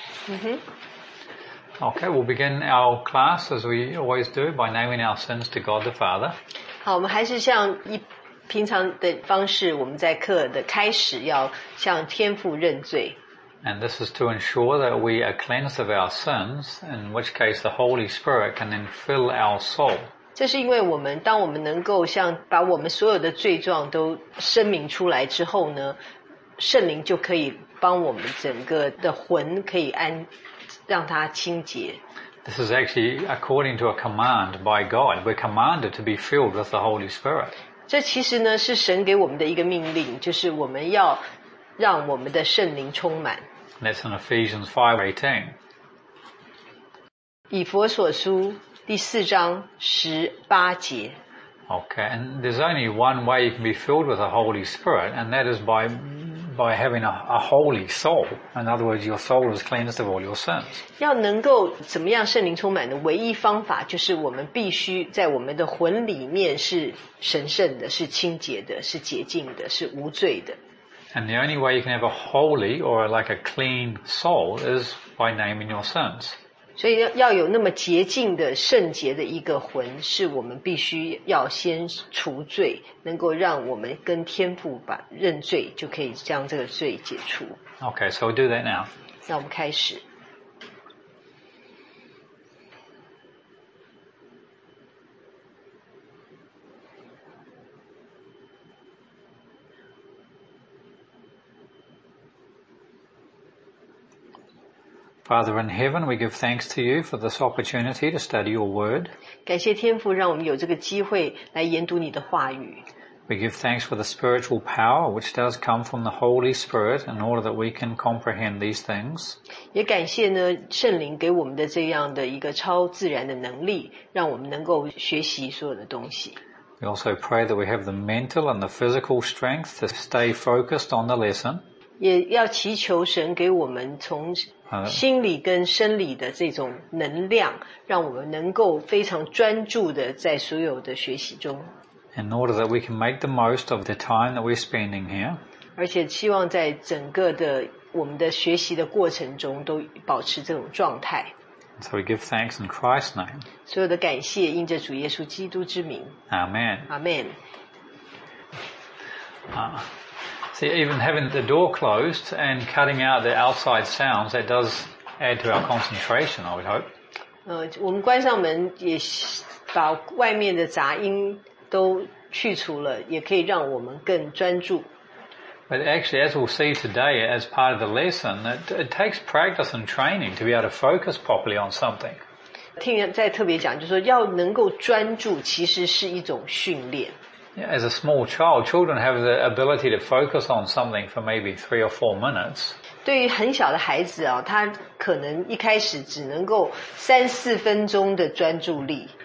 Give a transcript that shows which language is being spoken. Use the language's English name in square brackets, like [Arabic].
[English] Okay, we'll begin our class as we always do by naming our sins to God the Father. [Chinese] 好，我们还是像一平常的方式，我们在课的开始要向天父认罪。 [English] And this is to ensure that we are cleansed of our sins, in which case the Holy Spirit can then fill our soul. [Chinese] 这是因为我们，当我们能够像把我们所有的罪状都声明出来之后呢，圣灵就可以帮我们整个的魂可以安，让它清洁。 [English] This is actually according to a command by God. We're commanded to be filled with the Holy Spirit. [Chinese] 这其实呢是神给我们的一个命令，就是我们要让我们的圣灵充满。 [English] That's in Ephesians 5:18. [Chinese] 以弗所书第四章十八节。 [English] Okay, and there's only one way you can be filled with the Holy Spirit, and that is by having a holy soul. In other words, your soul is cleansed of all your sins. [Chinese] 要能够怎么样圣灵充满的唯一方法就是我们必须在我们的魂里面是神圣的，是清洁的，是洁净的，是无罪的。 [English] And the only way you can have a holy or like a clean soul is by naming your sins. [Chinese] 所以要有那么洁净的圣洁的一个魂是我们必须要先除罪，能够让我们跟天父把认罪，就可以将这个罪解除。 [English] Okay, so we'll do that now. [Chinese] 那我们开始。 [English] Father in heaven, we give thanks to you for this opportunity to study your word. [Chinese] 感谢天父让我们有这个机会来研读你的话语。 [English] We give thanks for the spiritual power which does come from the Holy Spirit in order that we can comprehend these things. [Chinese] 也感谢呢圣灵给我们的这样的一个超自然的能力，让我们能够学习所有的东西。 [English] We also pray that we have the mental and the physical strength to stay focused on the lesson. [Chinese] 也要祈求神给我们从心理跟生理的这种能量，让我们能够非常专注的在所有的学习中。 [English] In order that we can make the most of the time that we're spending here. [Chinese] 而且希望在整个的我们的学习的过程中都保持这种状态。 [English] So we give thanks in Christ's name. [Chinese] 所有的感谢因着主耶稣基督之名。 [English] Amen. Amen. See, even having the door closed and cutting out the outside sounds, that does add to our concentration, I would hope. [Chinese] 我们关上门也把外面的杂音都去除了，也可以让我们更专注。 [English] But actually, as we'll see today, as part of the lesson, it takes practice and training to be able to focus properly on something. [Chinese] 听再特别讲，就是说要能够专注，其实是一种训练。 [English] Yeah, as a small child, children have the ability to focus on something for maybe 3 or 4 minutes. [Chinese] 对于很小的孩子啊，他可能一开始只能够三四分钟的专注力。